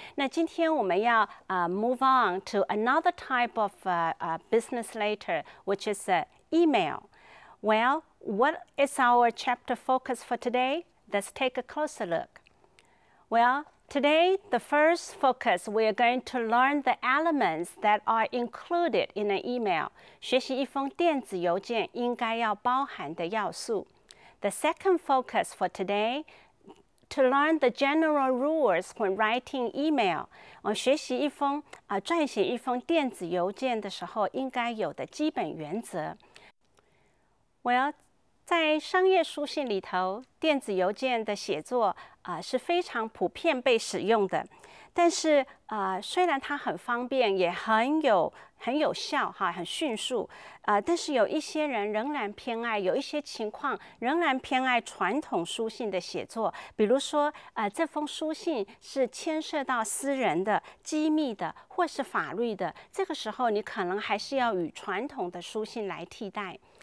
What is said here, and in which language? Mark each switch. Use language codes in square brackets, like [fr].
[zh] 那今天我们要 [en] move on to another type of business letter, which is email. Well, what is our chapter focus for today? Let's take a closer look. Well, today, the first focus, we are going to learn the elements that are included in an email. [zh] 学习一封电子邮件应该要包含的要素. [en] The second focus for today, to learn the general rules when writing email. [zh] 撰写一封电子邮件的时候应该有的基本原则. [en] Well, [zh] 在商业书信里头，电子邮件的写作是非常普遍被使用的。但是，虽然它很方便，也很有效，很迅速，但是有一些人仍然偏爱，有一些情况仍然偏爱传统书信的写作。比如说，这封书信是牵涉到私人的、机密的，或是法律的，这个时候你可能还是要与传统的书信来替代。